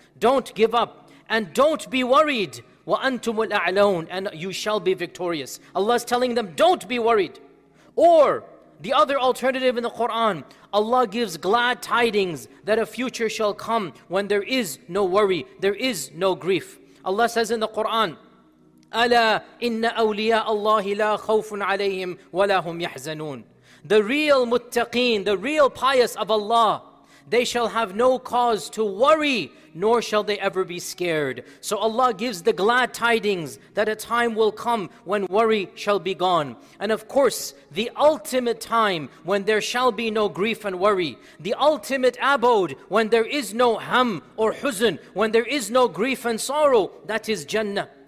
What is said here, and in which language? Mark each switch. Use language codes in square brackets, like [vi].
[en] Don't give up and don't be worried. [ar] وَأَنْتُمُ الْأَعْلَوْنَ. [en] And you shall be victorious. Allah is telling them, don't be worried. Or the other alternative in the Quran, Allah gives glad tidings that a future shall come when there is no worry, there is no grief. Allah says in the Quran, [ar] أَلَا إِنَّ أَوْلِيَاءَ اللَّهِ لَا خَوْفٌ عَلَيْهِمْ وَلَا هُمْ يَحْزَنُونَ. [en] The real muttaqeen, the real pious of Allah, they shall have no cause to worry, nor shall they ever be scared. So Allah gives the glad tidings that a time will come when worry shall be gone. And of course, the ultimate time when there shall be no grief and worry, the ultimate abode when there is no ham or huzn, when there is no grief and sorrow, that is Jannah.